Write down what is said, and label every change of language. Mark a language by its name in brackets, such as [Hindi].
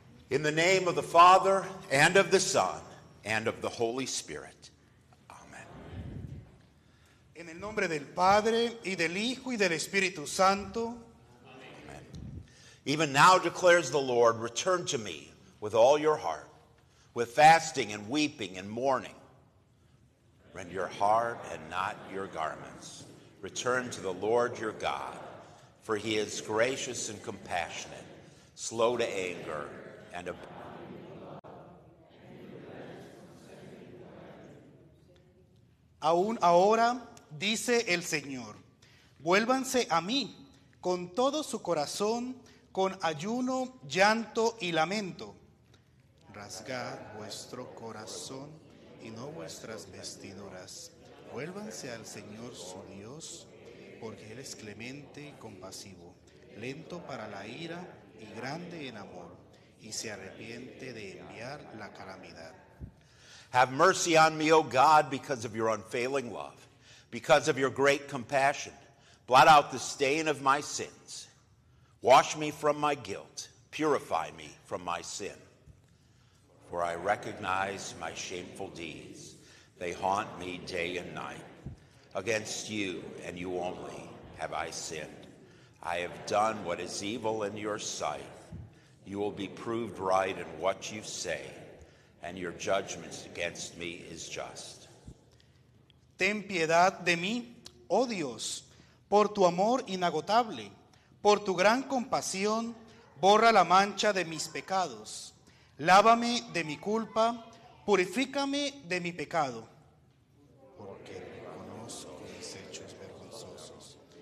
[English] In the name of the Father, and of the Son, and of the Holy Spirit. Amen. [Spanish] En el nombre del Padre, y del Hijo, y del Espíritu Santo. Amen. [English] Even now declares the Lord, return to me with all your heart, with fasting and weeping and mourning. Rend your heart and not your garments. Return to the Lord your God, for he is gracious and compassionate, slow to anger, and a [Spanish] aún ahora, dice el Señor, vuélvanse a mí con todo su corazón, con ayuno, llanto y lamento. Rasgad vuestro corazón y no vuestras vestiduras. Vuélvanse al Señor su Dios, porque Él es clemente y compasivo, lento para la ira y grande en amor. Y se arrepiente de enviar la calamidad. [English] Have mercy on me, O God, because of your unfailing love, because of your great compassion. Blot out the stain of my sins. Wash me from my guilt. Purify me from my sin. for I recognize my shameful deeds. They haunt me day and night. Against you and you only have I sinned. I have done what is evil in your sight. You will be proved right in what you say, and your judgments against me is just. [Spanish] Ten piedad de mí, oh Dios, por tu amor inagotable, por tu gran compasión, borra la mancha de mis pecados. Lávame de mi culpa, purifícame de mi pecado. Porque reconozco mis hechos vergonzosos.